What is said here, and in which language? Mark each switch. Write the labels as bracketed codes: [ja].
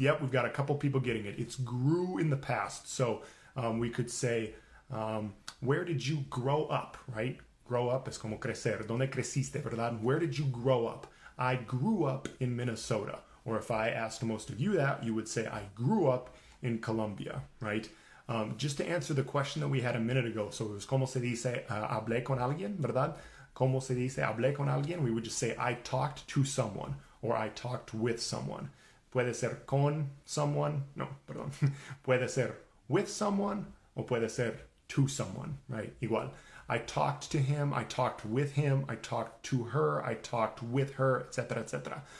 [en] Yep, we've got a couple people getting it. It's grew in the past. So we could say, where did you grow up, right? [es] Grow up es como crecer. ¿Dónde creciste, verdad? [en] Where did you grow up? I grew up in Minnesota. Or if I asked most of you that, you would say, I grew up in Colombia, right? Just to answer the question that we had a minute ago. So it was, [es] ¿cómo se dice hablé con alguien, verdad? ¿Cómo se dice hablé con alguien? [en] We would just say, I talked to someone, or I talked with someone. [es] Puede ser con someone. No, perdón. Puede ser [en] with someone, [es] o puede ser [en] to someone, right? [es] Igual. [en] I talked to him, I talked with him, I talked to her, I talked with her, etc., etc.